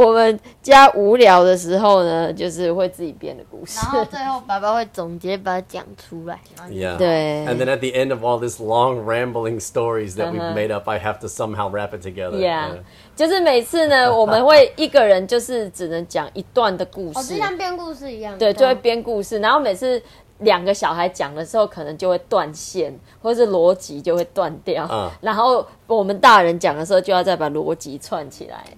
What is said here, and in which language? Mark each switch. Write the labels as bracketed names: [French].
[Chinese] 就是我们家无聊的时候呢, 就是会自己编的故事。然后最后爸爸会总结把它讲出来。 [English] Yeah. [Chinese] 对。 [English] And then at the end of all this long rambling stories that we've made up, I have to somehow wrap it together. Yeah. [Chinese] 就是每次呢, 我们会一个人就是只能讲一段的故事。就像编故事一样。对, 就会编故事, 然后每次, 两个小孩讲的时候, 可能就会断线, 或是逻辑就会断掉, 然后我们大人讲的时候, 就要再把逻辑串起来,